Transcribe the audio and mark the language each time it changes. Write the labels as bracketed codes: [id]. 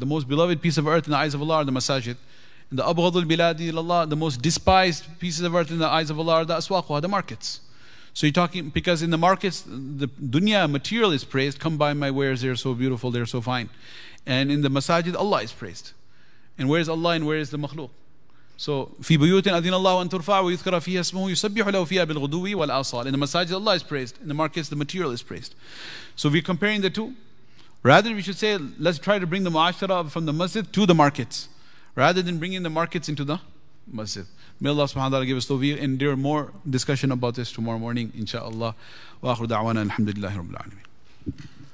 [en] The most beloved piece of earth in the eyes of Allah are the masajid. And the abghadul biladi ilallah, the most despised pieces of earth in the eyes of Allah are the aswaqwa, the markets. So you're talking, because in the markets, the dunya, material is praised. Come buy my wares, they're so beautiful, they're so fine. And in the masajid, Allah is praised. And where is Allah and where is the makhluk? [ar] So في بيوت أذن الله أن ترفع ويذكر فيها اسمه يسبح له فيها بالغدو والآصال. [en] In the masajid, Allah is praised. In the markets, the material is praised. So we're comparing the two. Rather, we should say, let's try to bring the mu'ashara from the masjid to the markets, rather than bringing the markets into the masjid. May Allah subhanahu wa ta'ala give us tawfiq, and there are more discussion about this tomorrow morning, inshaAllah. [ar] وآخر دعوانا الحمد لله رب العالمين.